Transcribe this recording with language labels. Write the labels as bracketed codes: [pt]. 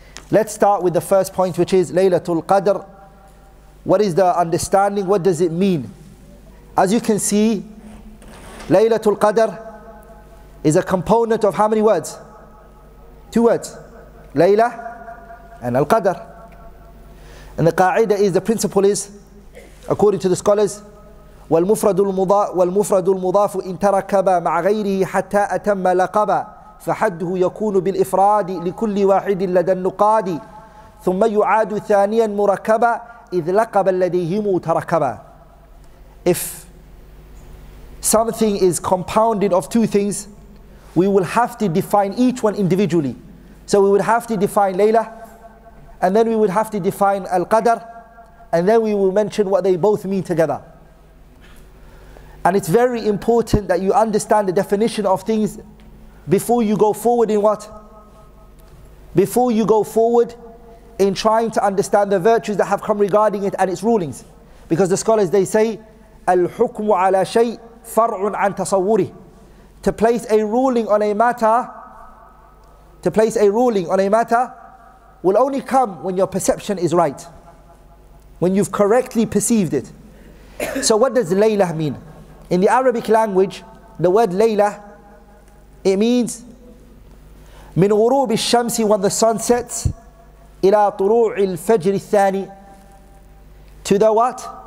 [en] Let's start with the first point, which is Laylatul Qadr. What is the understanding? What does it mean? As you can see, Laylatul Qadr is a component of how many words? Two words, Layla and Al-Qadr. And the qa'ida is, the principle is, according to the scholars, [ar] وَالْمُفْرَدُ الْمُضَافُ إِنْ تَرَكَبَ مَعْ غَيْرِهِ حَتَّى أَتَمَّ لَقَبَ فَحَدُّهُ يَكُونُ بِالْإِفْرَادِ لِكُلِّ وَاحِدٍ لَدَى النُّقَادِ ثُمَّ يُعَادُ ثَانِيًا مُرَكَبَ إِذْ لَقَبَ الَّذِيهِمُ تَرَكَبَ. [en] If something is compounded of two things, we will have to define each one individually. So we would have to define Layla, and then we would have to define Al-Qadr, and then we will mention what they both mean together. And it's very important that you understand the definition of things before you go forward in what? Before you go forward in trying to understand the virtues that have come regarding it and its rulings. Because the scholars, they say, [ar] الحكم على شيء فرع عن تصوره. [en] To place a ruling on a matter, to place a ruling on a matter will only come when your perception is right, when you've correctly perceived it. So what does laylah mean? In the Arabic language, the word laylah, it means [ar] من غروب الشمس, [en] when the sun sets, [ar] إلى طلوع الفجر الثاني, [en] to the what?